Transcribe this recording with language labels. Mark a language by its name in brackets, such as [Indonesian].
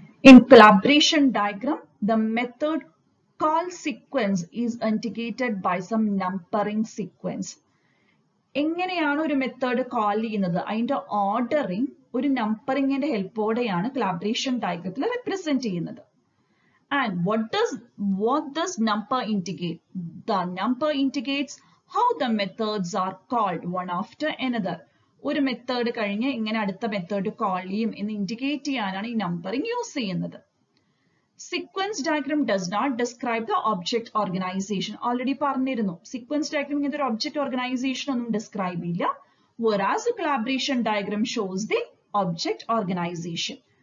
[English] In collaboration diagram the method call sequence is indicated by some numbering sequence. [Malayalam] എങ്ങനെയാണ് ഒരു method call ചെയ്യുന്നത്, അതിന്റെ ordering ഒരു നമ്പറിംഗിന്റെ ഹെൽപ്പോടെയാണ് collaboration ഡയഗ്രത്തിൽ represent ചെയ്യുന്നത്. [English] And what does number indicate? The number indicates how the methods are called one after another. [Malayalam] ഒരു method കഴിഞ്ഞ് ഇങ്ങനെ അടുത്ത മെത്തേഡ് കോൾ ചെയ്യും എന്ന് ഇൻഡിക്കേറ്റ് ചെയ്യാനാണ് ഈ നമ്പറിംഗ് യൂസ് ചെയ്യുന്നത്. [English] Sequence diagram does not describe the object organisation. [Malayalam] Already പറഞ്ഞിരുന്നു, സീക്വൻസ് ഡയഗ്രാം ഇങ്ങനത്തെ ഒരു ഒബ്ജക്ട് ഓർഗനൈസേഷൻ ഒന്നും ഡിസ്ക്രൈബ് ചെയ്യില്ല. [English] Whereas a collaboration diagram shows the object organization.